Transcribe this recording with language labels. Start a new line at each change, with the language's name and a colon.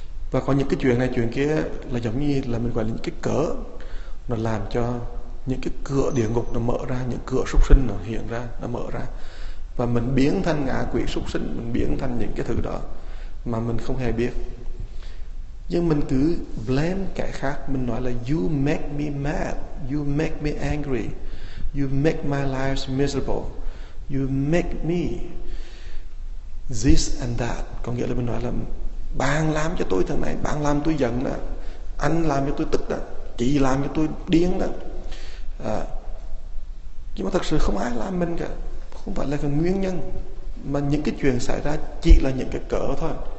Vietnamese: Và có những cái chuyện này chuyện kia là giống như là mình gọi là những cái cỡ, nó làm cho những cái cửa địa ngục nó mở ra, những cửa súc sinh nó hiện ra, nó mở ra. Và mình biến thành ngạ quỷ súc sinh, mình biến thành những cái thứ đó mà mình không hề biết. Nhưng mình cứ blame kẻ khác. Mình nói là
English: you make me mad, you make me angry, you make my life miserable, you make me this and that.
Vietnamese: Có nghĩa là mình nói là bạn làm cho tôi thằng này, bạn làm tôi giận đó, anh làm cho tôi tức đó, chị làm cho tôi điên đó. Nhưng mà thật sự không ai làm mình cả. Không phải là cái nguyên nhân, mà những cái chuyện xảy ra chỉ là những cái cỡ thôi.